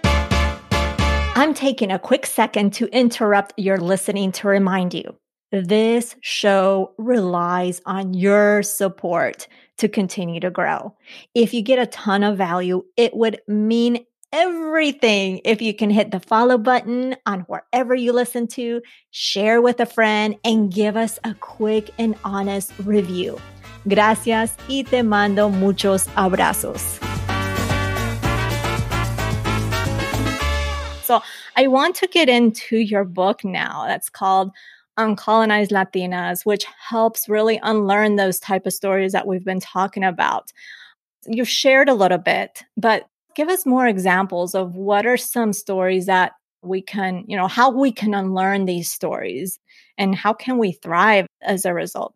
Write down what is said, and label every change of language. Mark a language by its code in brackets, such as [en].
[en] I'm taking a quick second to interrupt your listening to remind you, this show relies on your support to continue to grow. If you get a ton of value, it would mean everything if you can hit the follow button on wherever you listen to, share with a friend, and give us a quick and honest review. [es] Gracias y te mando muchos abrazos. [en] So I want to get into your book now that's called Uncolonized Latinas, which helps really unlearn those type of stories that we've been talking about. You've shared a little bit, but give us more examples of what are some stories that we can, you know, how we can unlearn these stories and how can we thrive as a result?